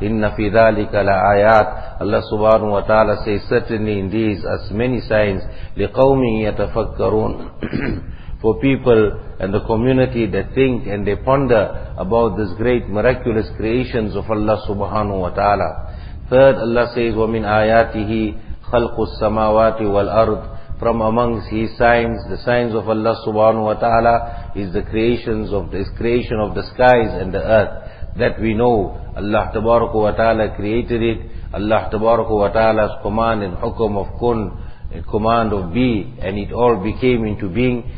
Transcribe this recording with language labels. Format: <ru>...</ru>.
<ar>Inna fi dhalika la ayat.</ar> <en>Allah subhanahu wa ta'ala says, certainly in these as many signs,</en> <ar>liqawmin yatafakkarun.</ar> <en>For people and the community that think and they ponder about this great miraculous creations of Allah subhanahu wa ta'ala. Third, Allah says,</en> <ar>وَمِنْ آيَاتِهِ خَلْقُ السَّمَاوَاتِ وَالْأَرْضِ.</ar> <en>From amongst His signs, the signs of Allah subhanahu wa ta'ala is the creations of this creation of the skies and the earth. That we know, Allah tabaraka wa ta'ala created it. Allah tabaraka wa ta'ala's command and hukum of kun, a command of be, and it all became into being.</en>